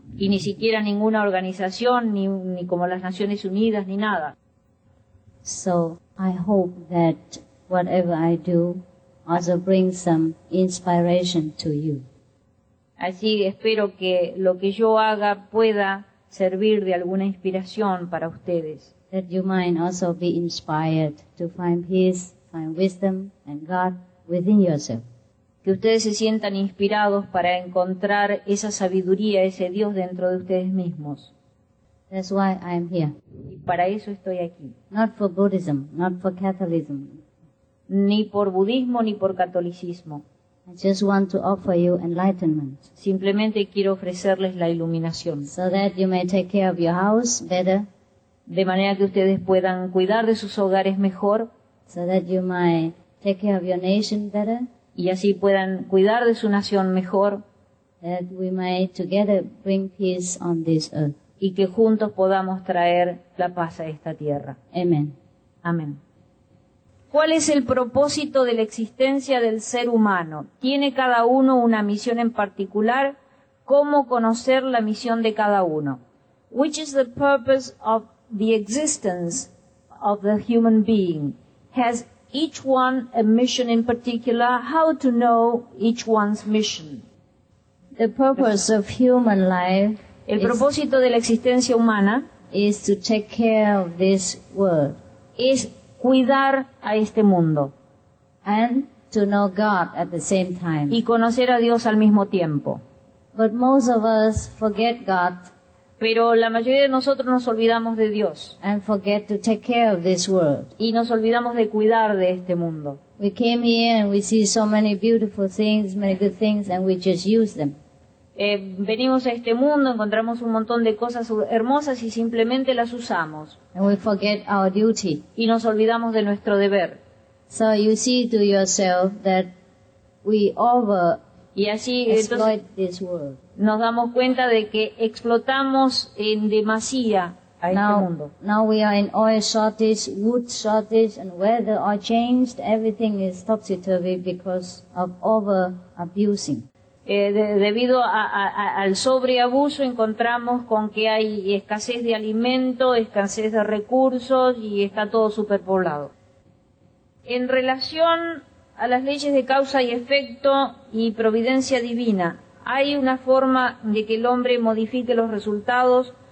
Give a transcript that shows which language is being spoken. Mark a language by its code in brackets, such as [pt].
[es] Y ni siquiera ninguna organización, ni como las Naciones Unidas, ni nada. [en] So I hope that whatever I do also brings some inspiration to you. [es] Así espero que lo que yo haga pueda servir de alguna inspiración para ustedes. [en] That you might also be inspired to find peace, find wisdom and God within yourself. [es] Que ustedes se sientan inspirados para encontrar esa sabiduría, ese Dios dentro de ustedes mismos. [en] That's why I am here. [es] Y para eso estoy aquí. [en] Not for Buddhism, not for Catholicism. [es] Ni por budismo ni por catolicismo. [en] I just want to offer you enlightenment. [es] Simplemente quiero ofrecerles la iluminación. [en] So that you may take care of your house better. [es] De manera que ustedes puedan cuidar de sus hogares mejor. [en] So that you may take care of your nation better. [es] Y así puedan cuidar de su nación mejor. [en] That we may together bring peace on this earth. [es] Y que juntos podamos traer la paz a esta tierra. [en] Amen. [es] Amén. ¿Cuál es el propósito de la existencia del ser humano? ¿Tiene cada uno una misión en particular? ¿Cómo conocer la misión de cada uno? [en] Which is the purpose of the existence of the human being? Has each one a mission in particular? How to know each one's mission? The purpose of human life, [es] el propósito de la existencia humana, [en] is to take care of this world. [es] Es cuidar a este mundo. [en] And to know God at the same time. [es] Y conocer a Dios al mismo tiempo. [en] But most of us forget God. [es] Pero la mayoría de nosotros nos olvidamos de Dios. [en] And forget to take care of this world. [es] Y nos olvidamos de cuidar de este mundo. [en] We came here and we see so many beautiful things, many good things, and we just use them. [es] Venimos a este mundo, encontramos un montón de cosas hermosas y simplemente las usamos. [en] And we forget our duty. [es] Y nos olvidamos de nuestro deber. [en] So you see to yourself that we over exploit this world. [es] Nos damos cuenta de que explotamos en demasía a este mundo. [en] Now we are in oil shortage, wood shortage, and weather are changed. Everything is topsy-turvy because of over-abusing. [es] Debido al sobreabuso encontramos con que hay escasez de alimento, escasez de recursos y está todo superpoblado. En relación a las leyes de causa y efecto y providencia divina, ¿hay una forma de que el hombre modifique los resultados?